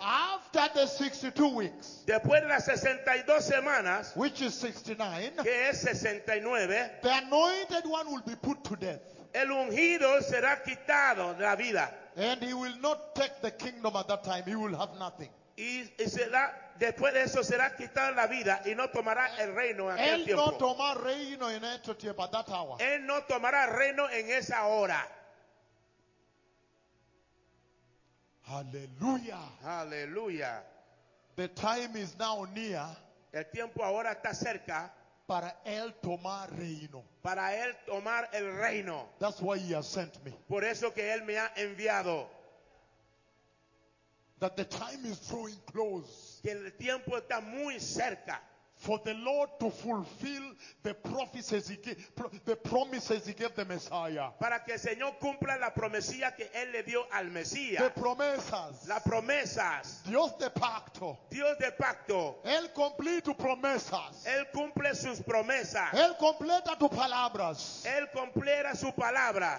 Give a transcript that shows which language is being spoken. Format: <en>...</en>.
<en>after the 62 weeks,</en> <es>después de las 62 semanas,</es> <en>which is 69,</en> <es>que es 69,</es> <en>the anointed one will be put to death.</en> <es>El ungido será quitado de la vida.</es> <en>And he will not take the kingdom at that time. He will have nothing.</en> <es>Y será, después de eso será quitado la vida y no tomará el reino en aquel tiempo. Él no tomará reino en ese tiempo,</es> <en>at that hour.</en> <es>Él no tomará reino en esa hora. Aleluya. Aleluya.</es> <en>The time is now near.</en> <es>El tiempo ahora está cerca. Para él tomar reino. Para él tomar el reino.</es> <en>That's why he has sent me.</en> <es>Por eso que él me ha enviado.</es> <en>That the time is drawing close.</en> <es>Que el tiempo está muy cerca.</es> <en>For the Lord to fulfill the prophecies he gave, the promises he gave the Messiah.</en> <es>Para que el Señor cumpla la promesía que él le dio al Mesías. The promesas. Las promesas. Dios de pacto. Dios de pacto. Él completa promesas. Él cumple sus promesas. Él completa tus palabras. Él completa su palabra.</es>